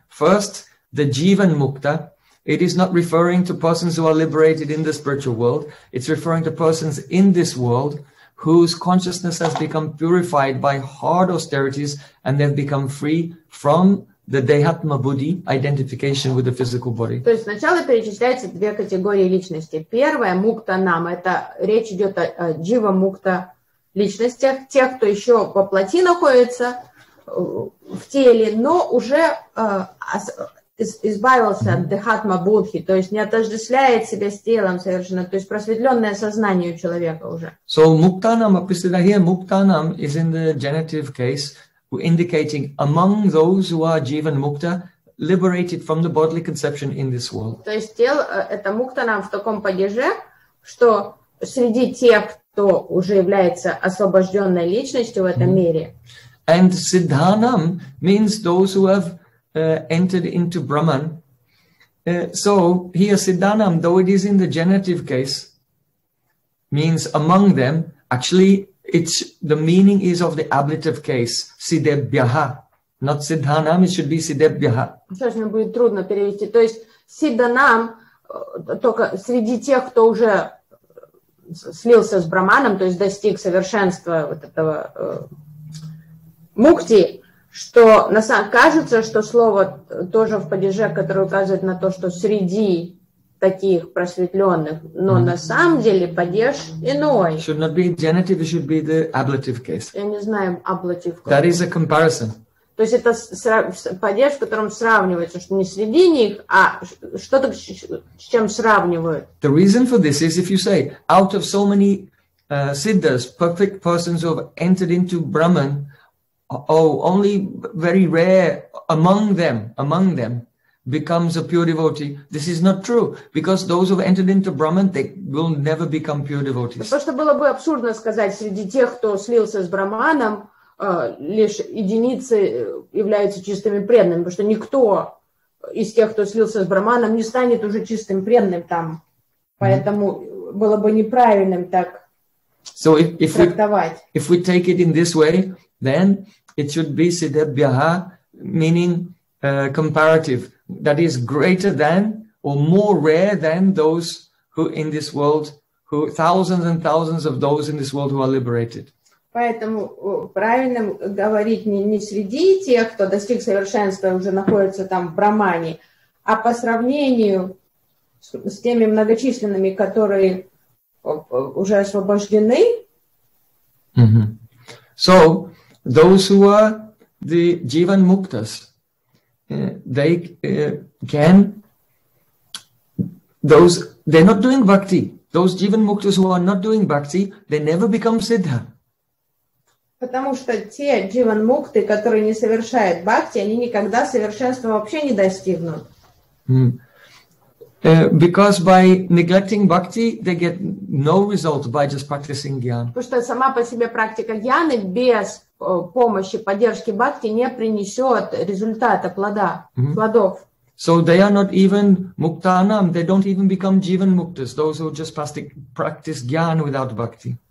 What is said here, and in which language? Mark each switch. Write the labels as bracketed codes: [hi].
[en] First, the jivan mukta. It is not referring to persons who are liberated in the spiritual world. It's referring to persons in this world whose consciousness has become purified by hard austerities and they've become free from the dehatma buddhi, identification with the physical body. [ru] То есть сначала перечисляются две категории личности. Первая – муктанам, это речь идет о джива-мукта личностях, тех, кто еще во плоти находится, в теле, но уже избавился от дехатма будхи, то есть не отождествляет себя с телом совершенно, то есть просветленное сознание у человека уже. [en] So muktanam apisiddhanam, here muktanam is in the genitive case, indicating among those who are jivan mukta, liberated from the bodily conception in this world. [ru] То есть тело, это муктанам в таком падеже, что среди тех, кто уже является освобожденной личностью в этом мире. [en] And siddhanam means those who have entered into Brahman. So here Siddhanam, though it is in the genitive case, means among them, actually it's the meaning is of the ablative case, Siddhebhyaha, not Siddhanam, it should be Siddhebhyaha. [ru] Сейчас мне будет трудно перевести. То есть Siddhanam только среди тех, кто уже слился с Браманом, то есть достиг совершенства вот этого мукти, что на самом кажется, что слово тоже в падеже, которое указывает на то, что среди таких просветленных, но на самом деле падеж иной. [en] Should not be genitive, it should be the ablative case. [ru] Я не знаю ablative [en] case. That is a comparison. [ru] То есть это падеж, в котором сравнивается, что не среди них, а что-то с чем сравнивают. [en] The reason for this is if you say out of so many siddhas, perfect persons who have entered into Brahman, oh, only very rare among them becomes a pure devotee. This is not true, because those who have entered into Brahman, they will never become pure devotees. [ru] Просто было бы абсурдно сказать, среди тех, кто слился с Браманом, лишь единицы являются чистыми преданными, потому что никто из тех, кто слился с Браманом, не станет уже чистым преданным там. Поэтому было бы неправильным так [en] so if [ru] трактовать. [en] If we take it in this way, then it should be siddhabhyaha, meaning comparative, that is greater than or more rare than those who in this world, who thousands and thousands of those in this world who are liberated. [ru] Поэтому правильным говорить не среди тех, кто достиг совершенства, уже находится там в Брамане, а по сравнению с теми многочисленными, которые уже освобождены. Mm-hmm. [en] So, those who are the Jivan Muktas, they can, those, they're not doing bhakti. Those Jivan Muktas who are not doing bhakti, they never become siddha. [ru] Потому что те Jivan Mukti, которые не совершают бхакти, они никогда совершенства вообще не достигнут. Mm. [en] Because by neglecting bhakti, they get no result by just practicing jnana. [ru] Потому что сама по себе практика jnana без помощи, поддержки бхакти не принесет результата, плодов. [en] So they are not even muktanam, they don't even become jivan muktas, those who just practice jnana without bhakti.